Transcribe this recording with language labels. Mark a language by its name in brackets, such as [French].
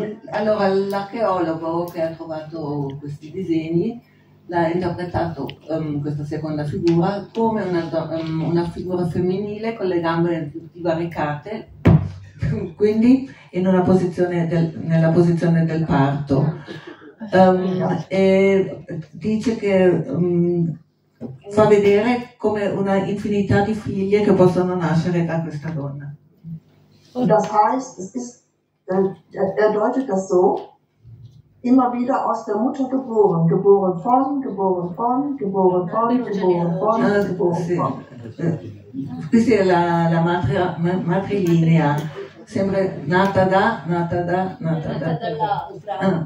[Italian] Allora, l'archeologo che ha trovato questi disegni l'ha interpretato questa seconda figura come una figura femminile con le gambe divaricate, quindi in una posizione nella posizione del parto. E dice che fa vedere come una infinità di figlie che possono nascere da questa donna. [German] Und das heißt, es ist, er deutet das so, immer wieder aus der Mutter geboren, geboren von, geboren von, geboren von, geboren von, geboren von. [Italian] Questa è la matrilinea, sembra nata da.